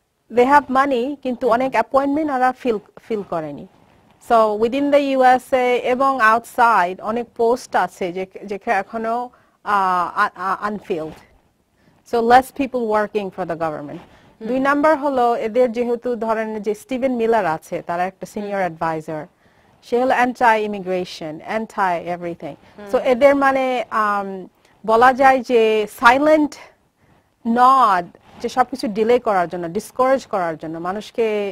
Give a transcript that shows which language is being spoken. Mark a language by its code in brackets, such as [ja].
[en] they have money [bn] কিন্তু অনেক appointment ওরা ফিল করেনি [en] so within the USA [bn] এবং আউটসাইড অনেক পোস্ট আছে যেখানে এখনো unfilled. [en] So less people working for the government. [bn] দুই নাম্বার হলো এদের যেহেতু ধরেন যে স্টিভেন মিলার আছে তার একটা সিনিয়র অ্যাডভাইজার সে হলো [en] anti immigration anti everything [bn] so এদের মানে বলা যায় যে সাইলেন্ট নড যে সবকিছু ডিলে করার জন্য ডিসকারেজ করার জন্য মানুষকে